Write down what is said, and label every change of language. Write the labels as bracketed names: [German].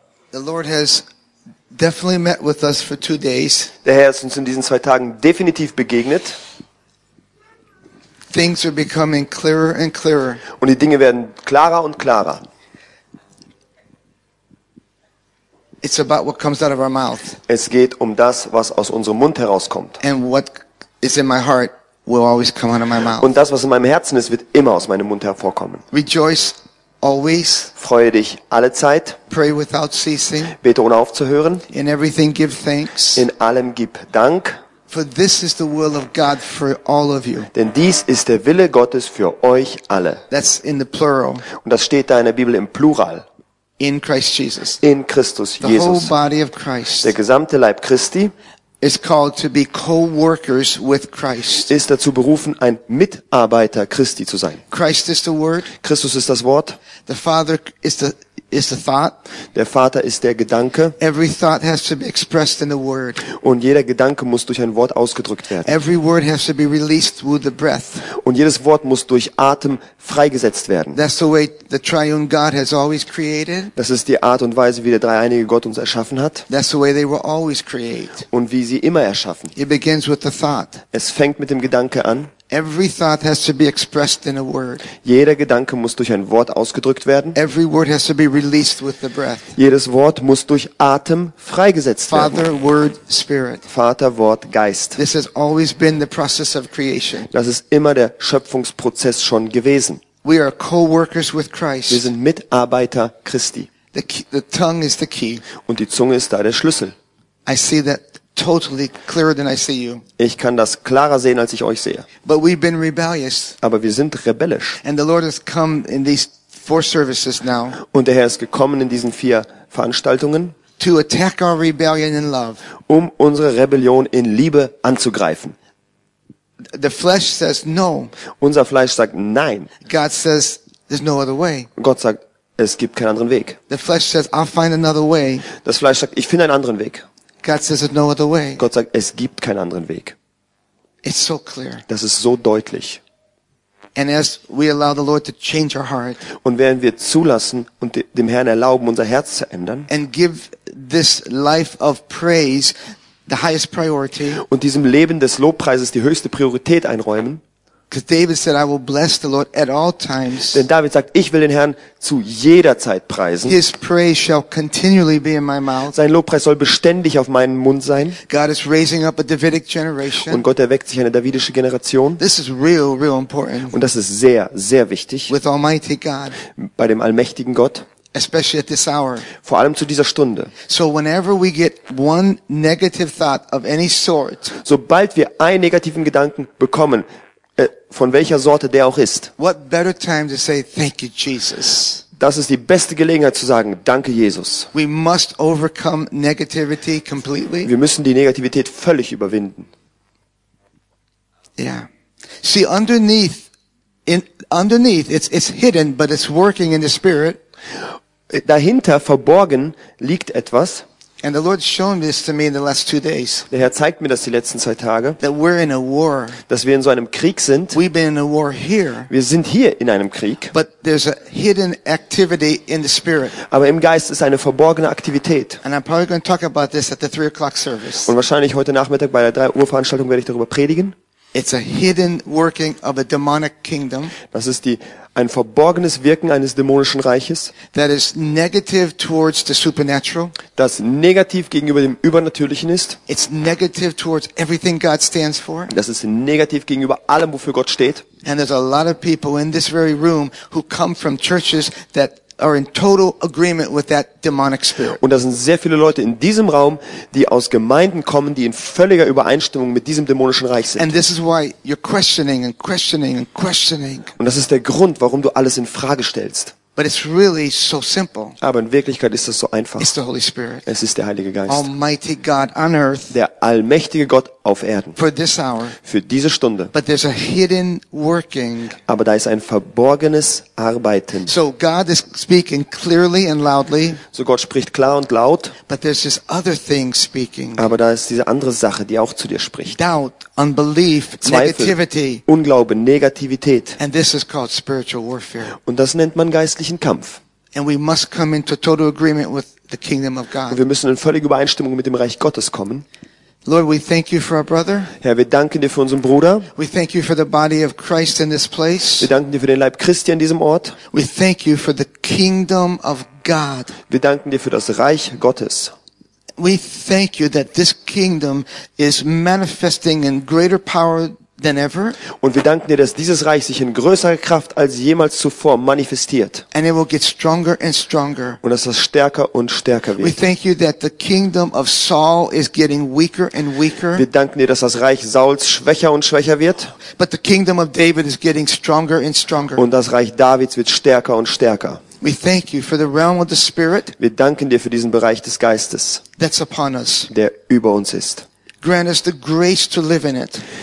[English] The Lord has definitely met with us for 2 days. [German] Der Herr ist uns in diesen 2 Tagen definitiv begegnet. [English] Things are becoming clearer and clearer. [German] Und die Dinge werden klarer und klarer. [English] It's about what comes out of our mouth. [German] Es geht um das, was aus unserem Mund herauskommt. [English] And what is in my heart will always come out of my mouth. [German] Und das, was in meinem Herzen ist, wird immer aus meinem Mund hervorkommen. [English] Rejoice always. [German] Freue dich alle Zeit. [English] Pray without ceasing. [German] Bete ohne aufzuhören. [English] In everything give thanks. [German] In allem gib Dank. [English] For this is the will of God for all of you. [German] Denn dies ist der Wille Gottes für euch alle. [English] That's in the plural. [German] Und das steht da in der Bibel im Plural. [English] In Christ Jesus. [German] In Christus [English] the [German] Jesus. [English] The whole body of Christ. [German] Der gesamte Leib Christi. [English] Is called to be co-workers with Christ. [German] Ist dazu berufen, ein Mitarbeiter Christi zu sein. [English] Christ is the word. [German] Christus ist das Wort. [English] The Father is the thought. [German] Der Vater ist der Gedanke. [English] Every thought has to be expressed in the word. [German] Und jeder Gedanke muss durch ein Wort ausgedrückt werden. [English] Every word has to be released through the breath. [German] Und jedes Wort muss durch Atem freigesetzt werden. [English] That's the way the triune God has always created. [German] Das ist die Art und Weise, wie der dreieinige Gott uns erschaffen hat. [English] That's the way they were always created. [German] Und wie sie immer erschaffen. [English] It begins with the thought. [German] Es fängt mit dem Gedanke an. [English] Every thought has to be expressed in a word. [German] Jeder Gedanke muss durch ein Wort ausgedrückt werden. [English] Every word has to be released with the breath. [German] Jedes Wort muss durch Atem freigesetzt [English] Father, [German] werden. [English] Word, Spirit. [German] Vater, Wort, Geist. [English] This has always been the process of creation. [German] Das ist immer der Schöpfungsprozess schon gewesen. [English] We are co-workers with Christ. [German] Wir sind Mitarbeiter Christi. [English] The tongue is the key. [German] Und die Zunge ist da der Schlüssel. [English] I see that. Totally clearer than I see you. [German] Ich kann das klarer sehen, als ich euch sehe. [English] But we've been rebellious. [German] Aber wir sind rebellisch. [English] And the Lord has come in these 4 services now. [German] Und der Herr ist gekommen in diesen 4 Veranstaltungen. [English] To attack our rebellion in love. [German] Um unsere Rebellion in Liebe anzugreifen. [English] The flesh says no. [German] Unser Fleisch sagt nein. [English] God says there's no other way. [German] Gott sagt, es gibt keinen anderen Weg. [English] The flesh says I'll find another way. [German] Das Fleisch sagt, ich finde einen anderen Weg. [English] God says no other way. [German] Gott sagt, es gibt keinen anderen Weg. [English] It's so clear. [German] Das ist so deutlich. [English] And as we allow the Lord to change our heart, [German] und während wir zulassen und dem Herrn erlauben, unser Herz zu ändern, [English] and give this life of praise the highest priority, [German] und diesem Leben des Lobpreises die höchste Priorität einräumen. [English] Because David said, "I will bless the Lord at all times." [German] Denn David sagt, ich will den Herrn zu jeder Zeit preisen. [English] His praise shall continually be in my mouth. [German] Sein Lobpreis soll beständig auf meinem Mund sein. [English] God is raising up a Davidic generation. [German] Und Gott erweckt sich eine davidische Generation. [English] This is real, real important. [German] Und das ist sehr, sehr wichtig. [English] With Almighty God. [German] Bei dem allmächtigen Gott. [English] Especially at this hour. [German] Vor allem zu dieser Stunde. [English] So whenever we get one negative thought of any sort. [German] Sobald wir einen negativen Gedanken bekommen. Von welcher Sorte der auch ist. [English] What better time to say thank you, Jesus? [German] Das ist die beste Gelegenheit zu sagen, danke Jesus. [English] We must overcome negativity completely. [German] Wir müssen die Negativität völlig überwinden. [English] Yeah. See, underneath, it's hidden, but it's working in the spirit. [German] Dahinter verborgen liegt etwas. [English] And the Lord's shown this to me in the last 2 days. [German] Der Herr zeigt mir das die letzten 2 Tage. [English] That we're in a war. [German] Dass wir in so einem Krieg sind. [English] We've been in a war here. [German] Wir sind hier in einem Krieg. [English] But there's a hidden activity in the spirit. [German] Aber im Geist ist eine verborgene Aktivität. [English] And I'm probably going to talk about this at the 3 o'clock service. [German] Und wahrscheinlich heute Nachmittag bei der 3 Uhr Veranstaltung werde ich darüber predigen. [English] It's a hidden working of a demonic kingdom. [German] Das ist ein verborgenes Wirken eines dämonischen Reiches. [English] That is negative towards the supernatural. [German] Das negativ gegenüber dem Übernatürlichen ist. [English] It's negative towards everything God stands for. [German] Das ist negativ gegenüber allem, wofür Gott steht. [English] And there's a lot of people in this very room who come from churches that are in total agreement with that demonic spirit. [German] Und da sind sehr viele Leute in diesem Raum, die aus Gemeinden kommen, die in völliger Übereinstimmung mit diesem dämonischen Reich sind. [English] And this is why you're questioning and questioning and questioning. [German] Und das ist der Grund, warum du alles in Frage stellst. [English] But it's really so simple. [German] Aber in Wirklichkeit ist das so einfach. [English] It's the Holy Spirit. [German] Es ist der Heilige Geist. [English] Almighty God on earth. [German] Der allmächtige Gott auf Erden. [English] For this hour. [German] Für diese Stunde. [English] But there's a hidden working. [German] Aber da ist ein verborgenes Arbeiten. [English] So God is speaking clearly and loudly. [German] So Gott spricht klar und laut. [English] But there's this other thing speaking. [German] Aber da ist diese andere Sache, die auch zu dir spricht. [English] Doubt, unbelief, negativity. [German] Zweifel, Unglaube, Negativität. [English] And this is called spiritual warfare. [German] Und das nennt man Geist. Kampf. [English] And we must come into total agreement with the kingdom of God. [German] Wir müssen in völlige Übereinstimmung mit dem Reich Gottes kommen. [English] Lord, we thank you for our brother. [German] Herr, wir danken dir für unseren Bruder. [English] We thank you for the body of Christ in this place. [German] Wir danken dir für den Leib Christi an diesem Ort. [English] We thank you for the kingdom of God. [German] Wir danken dir für das Reich Gottes. [English] We thank you that this kingdom is manifesting in greater power. [German] Und wir danken dir, dass dieses Reich sich in größerer Kraft als jemals zuvor manifestiert. [English] And it will get stronger and stronger. [German] Und dass das stärker und stärker wird. [English] We thank you that the kingdom of Saul is getting weaker and weaker. [German] Wir danken dir, dass das Reich Sauls schwächer und schwächer wird. [English] But the kingdom of David is getting stronger and stronger. [German] Und das Reich Davids wird stärker und stärker. [English] We thank you for the realm of the Spirit. [German] Wir danken dir für diesen Bereich des Geistes. [English] That's upon us. [German] Der über uns ist. [English] Grant us the grace to live in it.